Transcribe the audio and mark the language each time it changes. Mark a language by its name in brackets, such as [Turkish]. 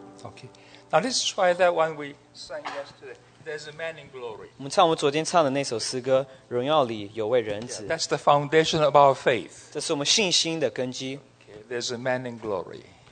[English] Okay, now let's try that one we sang yesterday. There's a man in glory. [Chinese] 我们唱我们昨天唱的那首诗歌，荣耀里有位人子。 [English] That's the foundation of our faith. [Chinese] 这是我们信心的根基。 [English] Okay, there's a man in glory.